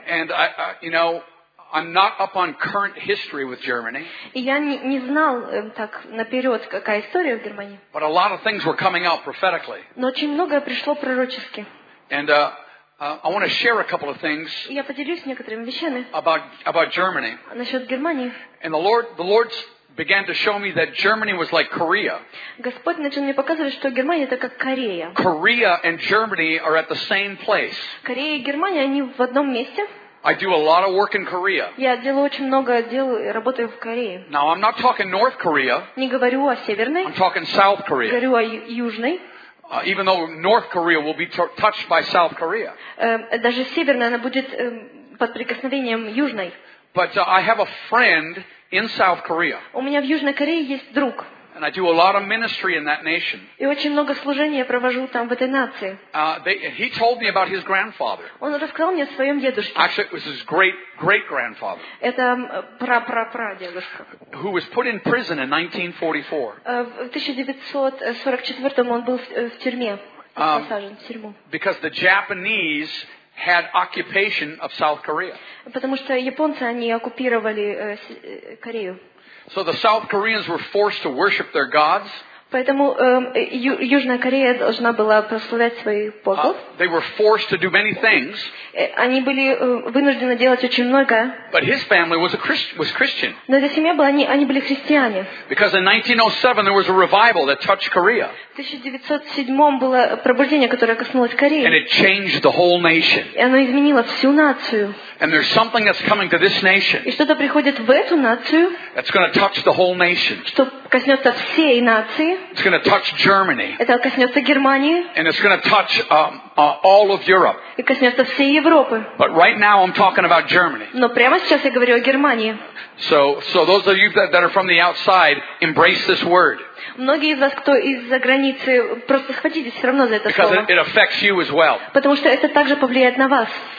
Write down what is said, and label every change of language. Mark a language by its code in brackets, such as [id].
[en] And I I'm not up on current history with Germany. [ru] И я не знал так наперед, какая история в Германии. [en] But a lot of things were coming out prophetically. [ru] Но очень многое пришло пророчески. [en] And I want to share a couple of things. [ru] Я поделюсь некоторыми вещами. [en] About Germany. [ru] Насчет Германии. [en] And the Lord began to show me that Germany was like Korea. [ru] Господь начал мне показывать, что Германия это как Корея. [en] Korea and Germany are at the same place. [ru] Корея и Германия они в одном месте. [en] I do a lot of work in Korea. [ru] Я делаю очень много дел и работаю в Корее. [en] Now I'm not talking North Korea. [ru] Не говорю о Северной. [en] I'm talking South Korea. [ru] Говорю о Южной. [en] Even though North Korea will be touched by South Korea. [ru] Даже северная она будет под прикосновением южной. [en] But I have a friend in South Korea. [ru] У меня в Южной Корее есть друг. [en] And I do a lot of ministry in that nation. [ru] И очень много служения я провожу там в этой нации. [en] He told me about his grandfather. [ru] Он рассказал мне о своем дедушке. [en] Actually, it was his great grandfather. [ru] Это прапрапрадедушка. [en] Who was put in prison in 1944? [ru] В 1944 он был в тюрьме. Посажен в тюрьму. [en] Because the Japanese had occupation of South Korea. [ru] Потому что японцы они оккупировали Корею. [en] So the South Koreans were forced to worship their gods. [ru] Поэтому Южная Корея должна была прославлять своих богов. [en] They were forced to do many things. [ru] Они были вынуждены делать очень много. [en] But his family was Christian. [ru] Но эта семья была, они были христиане. [en] Because in 1907 there was a revival that touched Korea. [ru] В 1907 было пробуждение, которое коснулось Кореи. [en] And it changed the whole nation. [ru] И оно изменило всю нацию. [en] And there's something that's coming to this nation. [ru] И что-то приходит в эту нацию. [en] That's going to touch the whole nation. [ru] Что коснется всей нации. [en] It's going to touch Germany. [ru] Это коснется Германии. [en] And it's going to touch all of Europe. [ru] И коснется всей Европы. [en] But right now I'm talking about Germany. [ru] Но прямо сейчас я говорю о Германии. [en] So those of you that are from the outside, embrace this word. [ru] Многие из вас, кто из-за границы, просто схватитесь все равно за это слово. [en] It affects you as well. [ru] Потому что это также повлияет на вас.